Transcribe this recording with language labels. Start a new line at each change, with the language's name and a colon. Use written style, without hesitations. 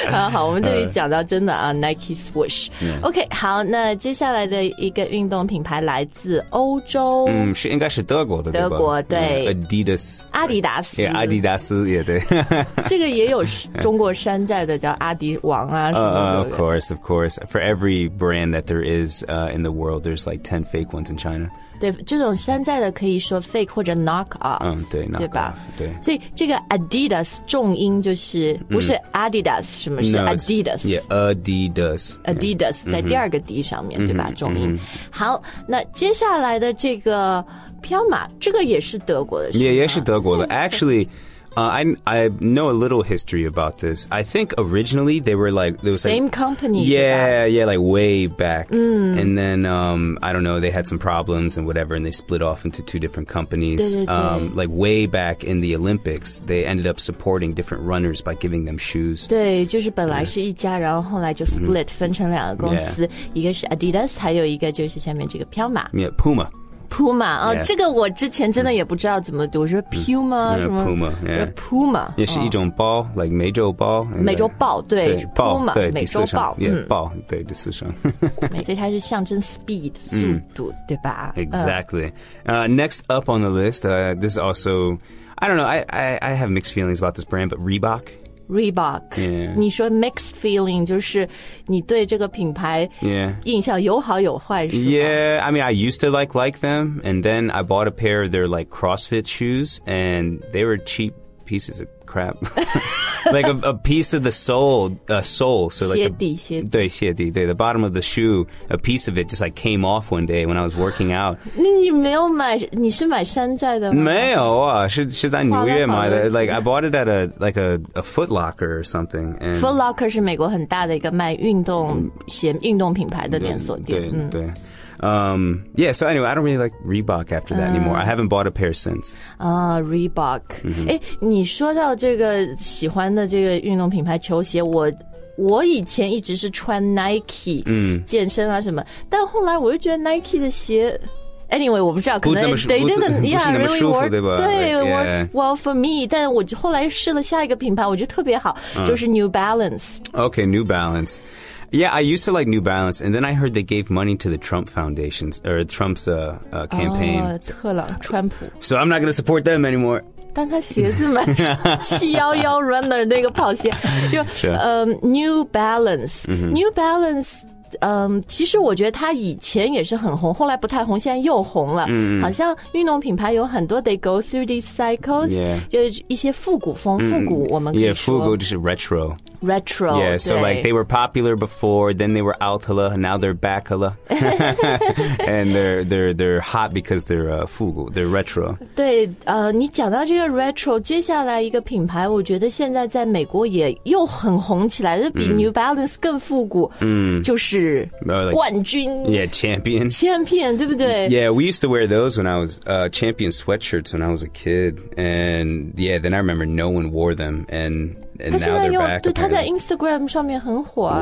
Chinese: 好我们这里讲到真的啊 Nike Swoosh、
English: yeah.
Chinese: OK 好那接下来的一个运动品牌来自欧洲是应该是德国的德国对、
English: yeah. Adidas
Chinese: 阿迪达斯 yeah, 阿迪达斯也对这个也有中国山寨的叫阿迪王啊什么的
English: Of course for every brand that there is in the world there's like 10 fake ones in China
Chinese: 对这种山寨的可以说 fake 或者 knock off 对 knock 对吧 off 对所以这个 Adidas 重音就是不是 Adidas 什么是 Adidas
English: no, yeah Adidas
Chinese: Adidas yeah, 在第二个 D 上面、mm-hmm, 对吧重音、mm-hmm. 好那接下来的这个彪马这个也是德国的是吗也是德国的
English: actually I know a little history about this. I think originally they were like there was same like, company. Yeah, like way back. And then I don't know, they had some problems and whatever, and they split off into two different companies.
Chinese: 对对对
English: like way back in the Olympics, they ended up supporting different runners by giving them shoes.
Chinese: 对，就是本来是一家，然后后来就 split 分成两个公司，
English: yeah.
Chinese: 一个是 Adidas， 还有一个就是下面这个彪马。
English: Yeah, Puma.
Chinese: Puma, 哦、
English: yeah.
Chinese: 这个我之前真的也不知道怎么读是 Puma, 什么
English: Puma, yeah. Puma,
Chinese: 也是一种包、哦、like 美洲包。美洲豹对 Puma, 对美洲豹。 Yeah, 豹对第四声。所以它是象征 speed, 速度对吧
English: Exactly. Next up on the list,this is also, I don't know, I have mixed feelings about this brand, but Reebok. Reebok、 yeah.
Chinese: 你说 mixed feeling 就是你对这个品牌印象有好有坏、
English: yeah.
Chinese: 是吧
English: Yeah, I mean I used to like them and then I bought a pair of their like CrossFit shoes and they were cheap pieces of crap like a piece of the sole so like
Chinese: 鞋底鞋底对鞋底对
English: the bottom of the shoe a piece of it just like came off one day when I was working out
Chinese: 那你没有买你是买山寨的吗没有啊是在纽约买的
English: like I bought it at a like a Foot Locker or something and
Chinese: Foot Locker 是美国很大的一个卖运动鞋运动品牌的连锁店对对
English: Yeah, so anyway, I don't really like Reebok after that anymore. I haven't bought a pair since. Reebok. Mm-hmm.
Chinese: 诶，你说到这个喜欢的这个运动品牌球鞋，我以前一直是穿 Nike, 健身啊什么，但后来我又觉得 Nike 的鞋Anyway, 我不知道，可能
English: they didn't, yeah, really work,
Chinese: 对吧？对
English: like, work well for me.
Chinese: 但我后来试了下一个品牌，我觉得特别好，就是 New Balance.
English: Okay, New Balance. Yeah, I used to like New Balance, and then I heard they gave money to the Trump Foundations, or Trump's campaign.
Chinese: Oh, 特朗普，川普。
English: So I'm not going to support them anymore.
Chinese: 但他鞋子蛮711 runner 那个跑鞋，就New Balance,New Balance,其实我觉得他以前也是很红，后来不太红，现在又红了。 Mm-hmm. 好像运动品牌有很多
English: they go through these cycles,
Chinese: 就是一些复古风，复古我们可以说。 Yeah, 复古就是 retro.
English: Retro. Yeah, so like they were popular before, then they were out hala, now they're back hala, and they're hot because they're 复古, they're retro.
Chinese: 对，你讲到这个 retro, 接下来一个品牌，我觉得现在在美国也又很红起来，比 New Balance 更复古。就是冠军。
English: Yeah, champion.
Chinese: Champion, 对不对？
English: Yeah, we used to wear those when I was champion sweatshirts when I was a kid, and yeah, then I remember no one wore them, and. And now they're back.
Chinese: 对，他在 Instagram 上面很火、啊。